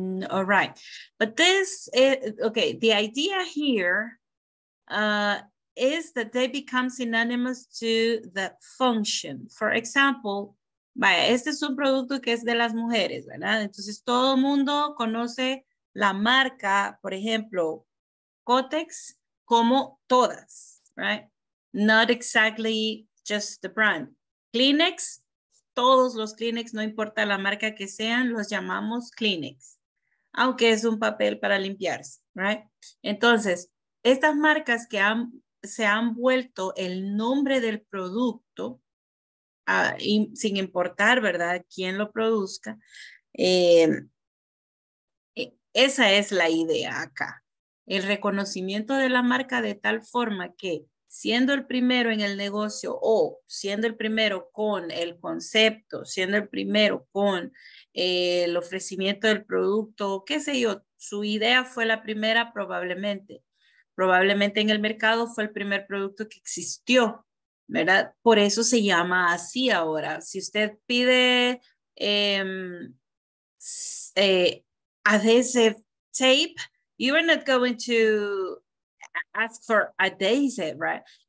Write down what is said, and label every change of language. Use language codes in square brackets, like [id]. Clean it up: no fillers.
[en] All right, but this is, okay, the idea here is that they become synonymous to the function. For example, [es] vaya, este es un producto que es de las mujeres, ¿verdad? Entonces, todo el mundo conoce la marca, por ejemplo, Cotex, como todas, right? [en] Not exactly just the brand. [es] Kleenex, todos los Kleenex, no importa la marca que sean, los llamamos Kleenex, aunque es un papel para limpiarse, right? Entonces, estas marcas que se han vuelto el nombre del producto, y sin importar, ¿verdad?, quién lo produzca, esa es la idea acá. El reconocimiento de la marca de tal forma que siendo el primero en el negocio o siendo el primero con el concepto, siendo el primero con el ofrecimiento del producto, qué sé yo, su idea fue la primera probablemente. Probablemente en el mercado fue el primer producto que existió, ¿verdad? Por eso se llama así ahora. Si usted pide [en] adhesive tape, you are not going to ask for adhesive, right?